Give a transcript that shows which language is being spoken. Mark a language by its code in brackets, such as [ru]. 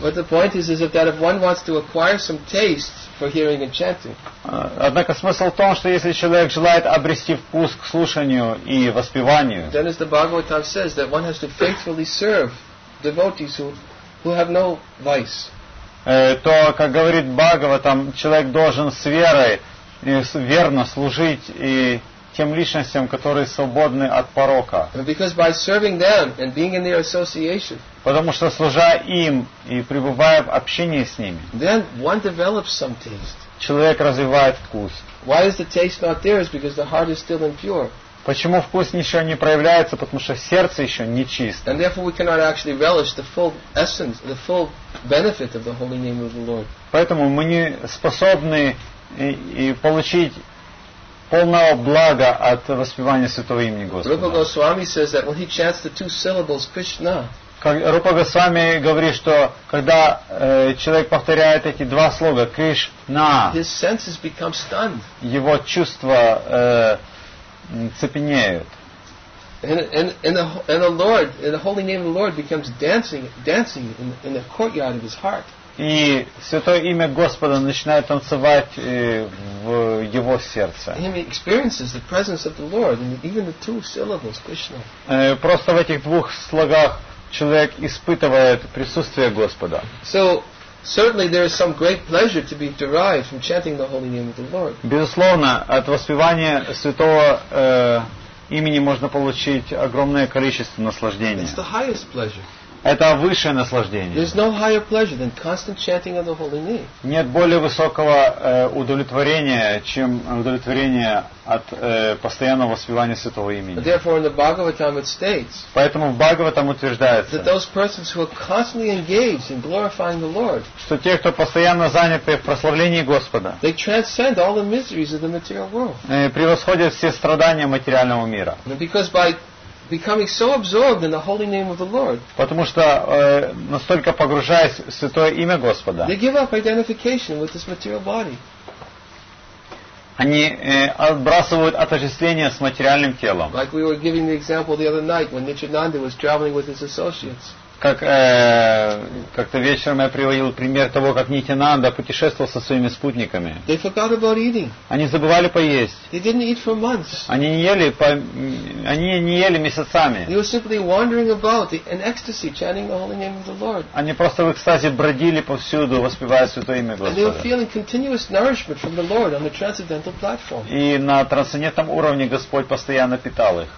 [en] But the point is that if one wants to acquire some taste for hearing and chanting. [ru] Однако смысл в том, что если человек желает обрести вкус к слушанию и воспеванию. [en] Then as the Bhagavatam says that one has to faithfully serve devotees who have no vice. [ru] То, как говорит Бхагаватам, человек должен с верой и верно служить и тем личностям, которые свободны от порока. [en] Because by serving them and being in their association, [ru] потому что служа им и пребывая в общении с ними, [en] then one develops some taste. [ru] Человек развивает вкус. [en] Why is the taste not there? It's because the heart is still impure. [ru] Почему вкус еще не проявляется? Потому что сердце еще не чисто. [en] And therefore we cannot actually relish the full essence, the full benefit of the holy name of the Lord. [ru] Поэтому мы не способны и получить полного блага от воспевания святого имени Господа. [en] Rupa Goswami says that when he chants the two syllables Krishna. [ru] Rupa Goswami говорит, что когда человек повторяет эти два слога Кришна, [en] his senses become stunned. [ru] Его чувства цепенеют. [en] And the Lord, and the holy name of the Lord becomes dancing in the courtyard of his heart. [ru] И святое имя Господа начинает танцевать в его сердце. [en] He experiences the presence of the Lord in even the two syllables Krishna. [ru] Просто в этих двух слогах человек испытывает присутствие Господа. [en] So certainly there is some great pleasure to be derived from chanting the holy name of the Lord. [ru] Безусловно, от воспевания святого имени можно получить огромное количество наслаждения. [en] It's the highest pleasure. [ru] Это высшее наслаждение. [en] There's no higher pleasure than constant chanting of the holy name. [ru] Нет более высокого удовлетворения, чем удовлетворение от постоянного воспевания святого имени. [en] Therefore, in the Bhagavatam it states. [ru] Поэтому в Бхагаватам утверждается. [en] That those persons who are constantly engaged in glorifying the Lord. [ru] Что те, кто постоянно заняты в прославлении Господа. [en] They transcend all the miseries of the material world. [ru] Превосходят все страдания материального мира. [en] Because by becoming so absorbed in the holy name of the Lord. [ru] Потому что настолько погружаясь в святое имя Господа. [en] They give up identification with this material body. [ru] они отбрасывают отождествление с материальным телом. [en] Like we were giving the example the other night when Nityananda was traveling with his associates. [ru] Как-то вечером я приводил пример того, как Нитянанда путешествовал со своими спутниками. [en] They forgot about eating. [ru] Они забывали поесть. [en] They didn't eat for months. [ru] Они не ели месяцами. [en] They were simply wandering about in ecstasy, chanting the holy name of the Lord. [ru] Они просто в экстазе бродили повсюду, воспевая Святое Имя Господа. [en] And they were feeling continuous nourishment from the Lord on the transcendental platform. [ru] И на трансцендентном уровне Господь постоянно питал их.